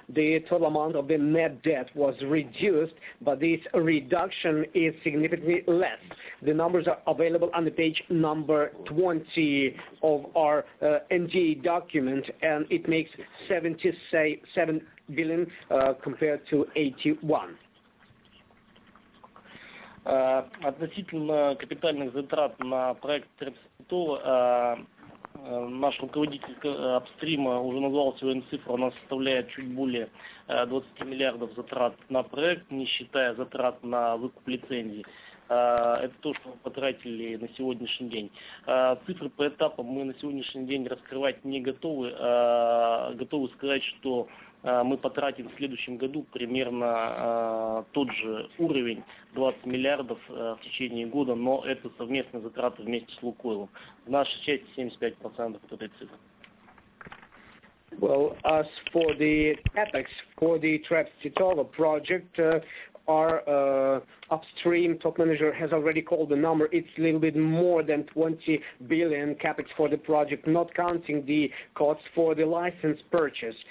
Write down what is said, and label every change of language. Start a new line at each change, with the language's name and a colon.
English: The total amount of the net debt was reduced, but this reduction is significantly less. The numbers are available on the page number 20 of our NDA document, and it makes 77 billion compared to 81.
Russian: Относительно капитальных затрат на проект Трепс-Титова, наш руководитель апстрима уже назвал сегодня цифру, она составляет чуть более 20 миллиардов затрат на проект, не считая затрат на выкуп лицензии. Это то, что мы потратили на сегодняшний день. Цифры по этапам мы на сегодняшний день раскрывать не готовы. Готовы сказать, что мы потратим в следующем году примерно тот же уровень, 20 миллиардов в течение года, но это совместные затраты вместе с Лукойлом. В нашей части 75% от этой цифры.
English: Well, as for the CapEx for the Trepts-Titova project, our upstream top manager has already called the number. It's a little bit more than 20 billion capex for the project, not counting the costs for the license purchase.